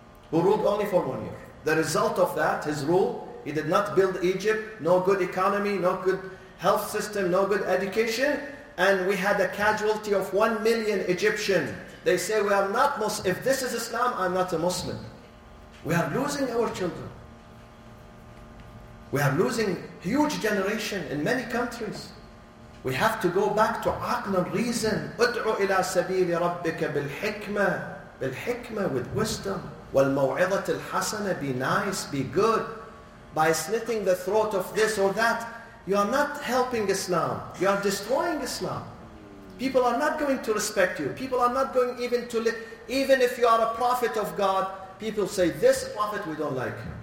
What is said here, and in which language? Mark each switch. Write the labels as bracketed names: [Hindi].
[English] Who ruled only for 1 year. The result of that, his rule, he did not build Egypt, no good economy, no good health system, no good education, and we had a casualty of 1 million Egyptians. They say, we are not Muslim. If this is Islam, I'm not a Muslim. We are losing our children. We are losing huge generation in many countries. We have to go back to aql and reason. [Arabic] ادعو الى سبيل ربك بالحكمه بالحكمه, [English] with wisdom. [Arabic] والموعظه الحسنه, [English] be nice, be good. By slitting the throat of this or that, you are not helping Islam. You are destroying Islam. People are not going to respect you. People are not going even to live. Even if you are a prophet of God, people say, this prophet we don't like.